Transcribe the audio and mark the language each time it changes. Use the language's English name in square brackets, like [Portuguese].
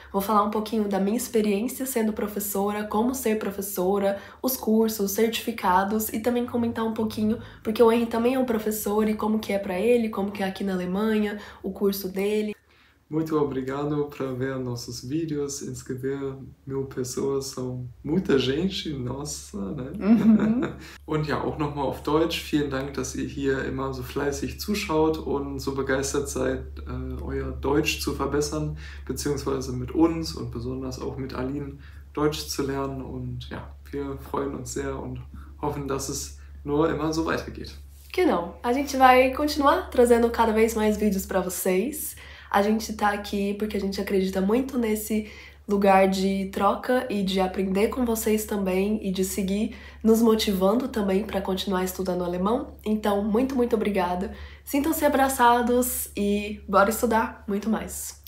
[Portuguese] Vou falar um pouquinho da minha experiência sendo professora, como ser professora, os cursos, os certificados e também comentar um pouquinho, porque o Henri também é um professor e como que é para ele, como que é aqui na Alemanha, o curso dele. Muito obrigado por ver nossos vídeos, inscrever mil pessoas, são muita gente, nossa, né? [German] Und ja, auch nochmal auf Deutsch, vielen Dank, dass ihr hier immer so fleißig zuschaut und so begeistert seid, euer Deutsch zu verbessern, beziehungsweise mit uns und besonders auch mit Aline Deutsch zu lernen. Und ja, wir freuen uns sehr und hoffen, dass es nur immer so weitergeht. [Portuguese] Que não, a gente vai continuar trazendo cada vez mais vídeos para vocês. A gente tá aqui porque a gente acredita muito nesse lugar de troca e de aprender com vocês também e de seguir nos motivando também para continuar estudando alemão. Então, muito, muito obrigada. Sintam-se abraçados e bora estudar muito mais.